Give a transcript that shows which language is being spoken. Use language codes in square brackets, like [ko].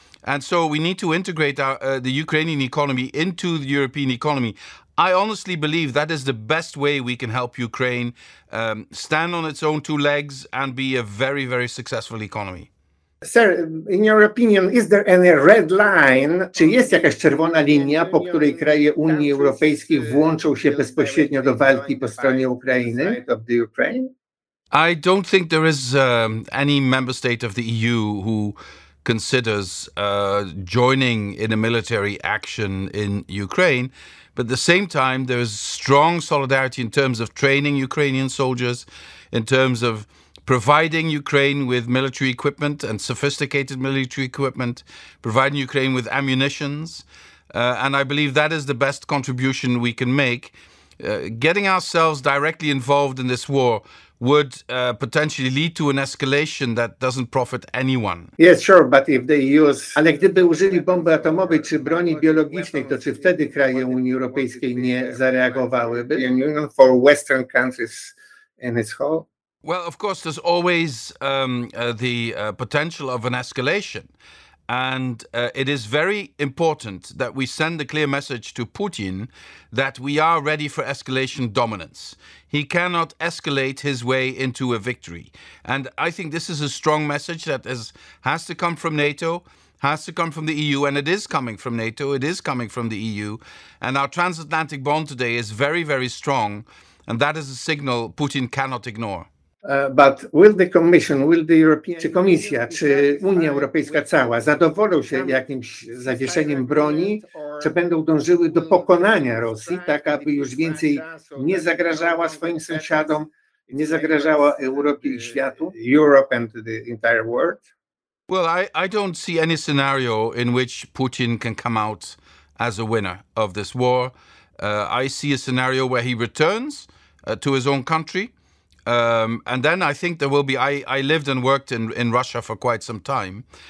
[en] And so we need to integrate our, the Ukrainian economy into the European economy. I honestly believe that is the best way we can help Ukraine stand on its own two legs and be a very, very successful economy. Sir, in your opinion, is there any red line? [pl] Czy jest jakaś czerwona linia, po której kraje Unii Europejskiej włączą się bezpośrednio do walki po stronie Ukrainy, [en] of the Ukraine? I don't think there is any member state of the EU who considers joining in a military action in Ukraine. But at the same time, there is strong solidarity in terms of training Ukrainian soldiers, in terms of providing Ukraine with military equipment and sophisticated military equipment, providing Ukraine with ammunitions. And I believe that is the best contribution we can make. Getting ourselves directly involved in this war would potentially lead to an escalation that doesn't profit anyone. Yes, sure, but if they use... [pl] Ale gdyby użyli bomby atomowej czy broni biologicznej, to czy wtedy kraje Unii Europejskiej nie zareagowałyby? [en] European Union for Western countries in its whole? Well, of course, there's always potential of an escalation. And it is very important that we send a clear message to Putin that we are ready for escalation dominance. He cannot escalate his way into a victory. And I think this is a strong message that has to come from NATO, has to come from the EU, and it is coming from NATO, it is coming from the EU. And our transatlantic bond today is very, very strong. And that is a signal Putin cannot ignore. But will the Commission, will the European, [pl] czy Komisja, czy Unia Europejska cała zadowolą się jakimś zawieszeniem broni, czy będą dążyły do pokonania Rosji, tak aby już więcej nie zagrażała swoim sąsiadom, nie zagrażała Europie i światu? [en] Europe and the entire world? Well, I don't see any scenario in which Putin can come out as a winner of this war. I see a scenario where he returns to his own country. And then I think there will be, I lived and worked in Russia for quite some time.